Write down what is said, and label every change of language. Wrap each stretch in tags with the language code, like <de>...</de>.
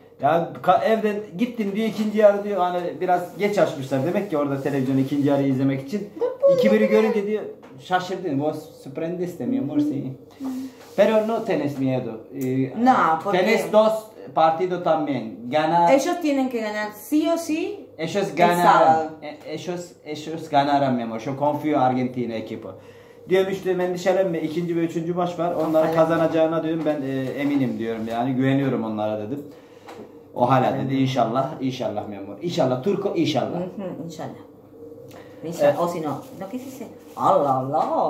<tr>Ya evden gittin diyor ikinci yarı diyor hani biraz geç açmışlar demek ki orada televizyonu ikinci yarı izlemek için. 2-1'i görünce diyor şaşırdın.</tr> <es>Vos sorprendes de mi amor si. Pero no tenes miedo. No, porque tenes dos partido también. Ganar. Ellos tienen que ganar sí o sí. Ellos ganarán. Ellos ganarán mi amor. Yo confío en Argentina equipo.</es> <tr>Diyorum işte endişelenme. İkinci ve üçüncü maç var. Onları kazanacağına diyorum ben eminim diyorum yani güveniyorum onlara dedim. O hala dedi inşallah. İnşallah</tr> <es>mi amor.</es> <tr>İnşallah Turco inşallah.</tr> <es>İnşallah. O si no. No que si si. Allah Allah.</es>